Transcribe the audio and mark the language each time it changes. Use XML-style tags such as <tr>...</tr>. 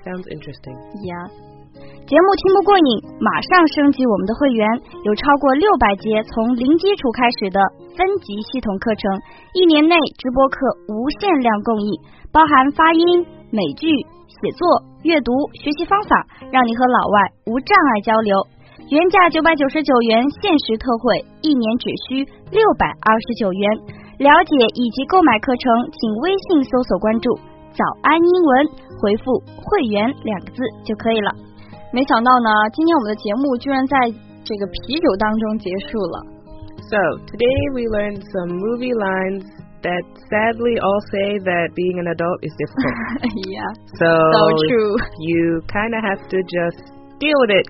<en>Sounds interesting. Yeah.</en> <zh>节目听不过瘾，马上升级我们的会员，有超过600节从零基础开始的分级系统课程，一年内直播课无限量供应，包含发音、美剧、写作、阅读、学习方法，让你和老外无障碍交流。原价999元，限时特惠，一年只需629元。了解以及购买课程，请微信搜索关注“早安英文”，回复“会员”两个字就可以了。没想到呢，今天我们的节目居然在这个啤酒当中结束了。</zh> <en>So today we learned some movie lines. That sadly all say that being an adult is difficult. Yeah. So, so true. You kind of have to just deal with it.</en>